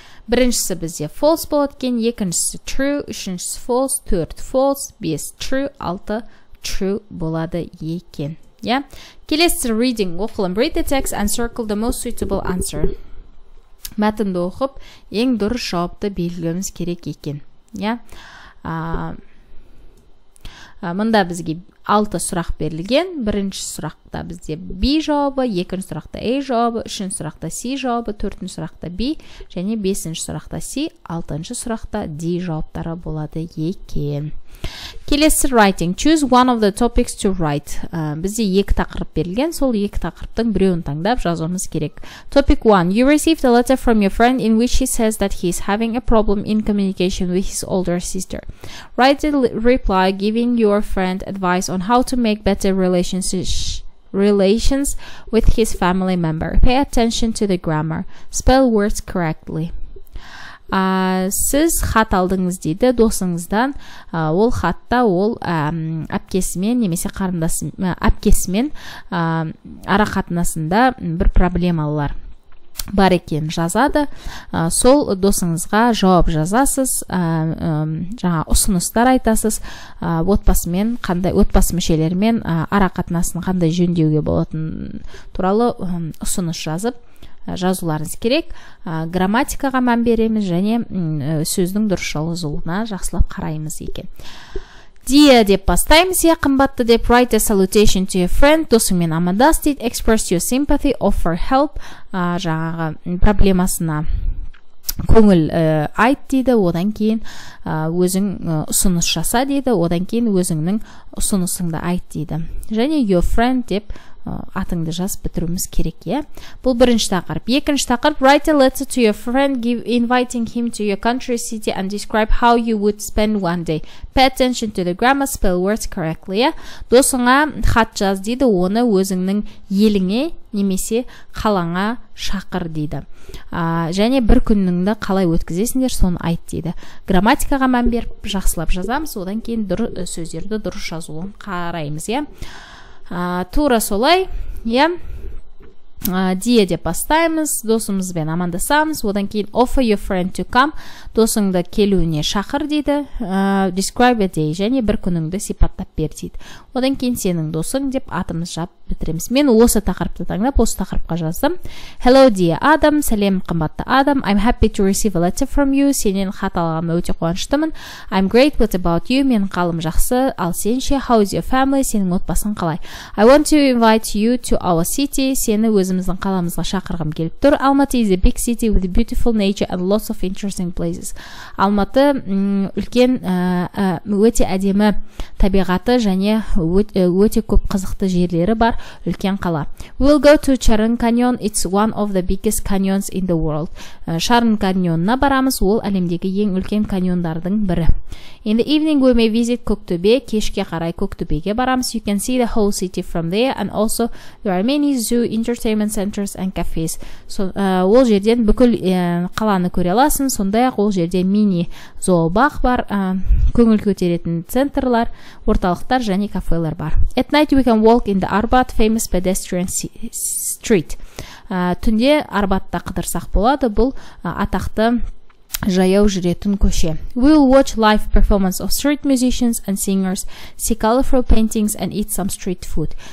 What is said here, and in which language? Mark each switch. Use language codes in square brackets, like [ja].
[kk] Біріншісі бізде false болады екен, екіншісі true, үшіншісі false, төрт false, бес true, алты true болады екен. Келесі [en] reading, оқылым, read the text and circle the most suitable answer. [kk] Мәтінді оқып, ең дұрыс жауапты белгілеуіміз керек екен. Мұнда бізге 6 сұрақ берілген. Бірінші сұрақта бізде B жауабы, екінші сұрақта A жауабы, үшінші сұрақта C жауабы, төртінші сұрақта B, және бесінші сұрақта C, алтыншы сұрақта D жауаптары болады екен. [en] Келесі writing. Choose one of the topics to write. [kk] Бізде екі тақырып берілген, сол екі тақырыптың біреуін таңдап жазуымыз керек. [en] Topic 1. You received a letter from your friend in which he says that he is having a problem in communication with his older sister. Write a reply giving your friend advice on how to make better relations with his family member. Pay attention to the grammar. Spell words correctly. [kk] Сіз хат алдыңыз дейді досыңыздан, ол хатта ол әпкесімен немесе әпкесімен ара қатынасында бір проблемалар бар екен жазады, сол досыңызға жауап жазасыз, жаңа ұсыныстар айтасыз, отбасы мүшелермен ара қатынасын қандай жөндеуге болатын туралы ұсыныс жазып жазуларыңыз керек, грамматикаға мән береміз және сөздің дұрыс жазылуына жақсылап қараймыз екен. Дия деп бастаймыз, я қымбатты деп, [en] write a salutation to your friend, [kk] досыңмен амандас дейді, [en] express your sympathy, offer help, [kk] жаңағы проблемасына көңіл айт дейді, одан кейін өзің ұсыныс жаса дейді, одан кейін өзіңнің ұсынысыңды айт дейді. Және [en] your friend [kk] деп атыңды жаз бітіруіміз керек, е? Бұл бірінші тақырып. Екінші тақырып, [en] write a letter to your friend, inviting him to your country city and describe how you would spend one day. Pay attention to the grammar, spell words correctly, е? [kk] Досыңа хат жаз дейді, оны өзіңнің еліңе немесе қалаңа шақыр дейді. Және бір күніңді қалай өткізесіндер, соны айт дейді. Грамматикаға мән беріп жақсылап жазамыз, одан кейін сөздерді дұрыс жазуын қараймыз, е? Тура солай, дия деп бастаймыз, досымызбен амандасамыз, одан кейін [en] offer your friend to come, [kk] досыңды келуіне шақыр дейді, [en] describe a day, [kk] және бір күніңді сипаттап бер дейді. Одан кейін сенің досың деп атымыз жап бітіреміз. Мен осы тақырыпты таңдап, осы тақырыпқа жаздым. [en] Hello dear Adam, [kk] сәлем қымбатты Adam, [en] I'm happy to receive a letter from you, [kk] сенен хат алғам өте қуаныштымын. [en] I'm great, what about you, [kk] мен қалым жақсы, ал сенше, [en] how is your family, [kk] сенің отбасың қалай. [en] I want to invite you to our city, [kk] сені өзіміздің қаламызға шақырғым келіп тұр. [en] Алматы is a big city with beautiful nature and lots of interesting places. [kk] Алматы үлкен өте әдемі табиғаты және өте көп қызықты жерлері бар үлкен қала. [en] We'll go to Charon Canyon. It's one of the biggest canyons in the world. [kk] Шарон каньонына барамыз, ол әлемдегі ең үлкен каньондардың бірі. [en] In the evening we may visit Көктөбе, [kk] кешке қарай Көктөбеге барамыз. [en] You can see the whole city from there and also there are many zoo, entertainment entertainment centers and cafes. [kk] Ол жерден бүкіл қаланы көре аласың, сондай-ақ ол жерде мини-зообақ бар, көңіл көтеретін центрлар, орталықтар және кафелер бар. [en] At night we can walk in the Arbat famous pedestrian street. [kk] Түнде Арбатта қыдырсақ болады, бұл атақты жаяу жүретін көше. [en] We'll watch live performance of street musicians and singers, see colorful paintings and eat some street food.